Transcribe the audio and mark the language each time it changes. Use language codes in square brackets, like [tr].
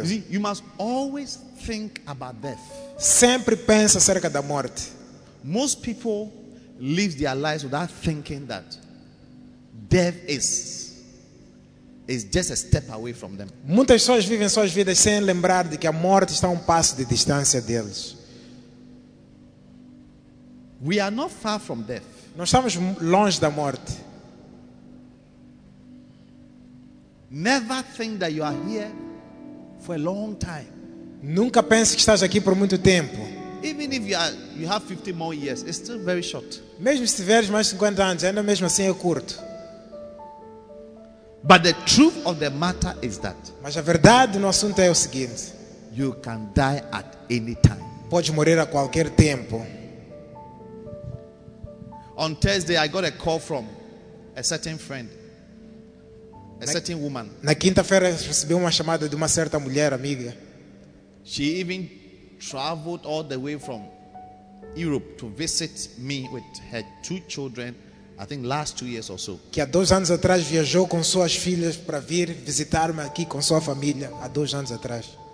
[en] You see, you must always think about death. [pt] Sempre pensa acerca da morte. [en] Most people live their lives without thinking that death is just a step away from them. [pt] Muitas pessoas vivem suas vidas sem lembrar de que a morte está passo de distância deles. [en] We are not far from death. [pt] Nós estamos longe da morte. [en] Never think that you are here for a long time. [pt] Nunca pense que estás aqui por muito tempo. [en] Even if you have 50 more years, it's still very short. [pt] Mesmo se tiveres mais 50 anos, ainda mesmo assim é curto. [en] But the truth of the matter is that. [pt] Mas a verdade no assunto é o seguinte. [en] You can die at any time. [pt] Pode morrer a qualquer tempo. [en] On Thursday, I got a call from a certain friend, certain woman. [pt] Na quinta-feira recebi uma chamada de uma certa mulher amiga. [en] She even traveled all the way from Europe to visit me with her two children. I think last 2 years or so. [pt] Que há 2 anos atrás viajou com suas filhas para vir visitar-me aqui com sua família há 2 anos atrás.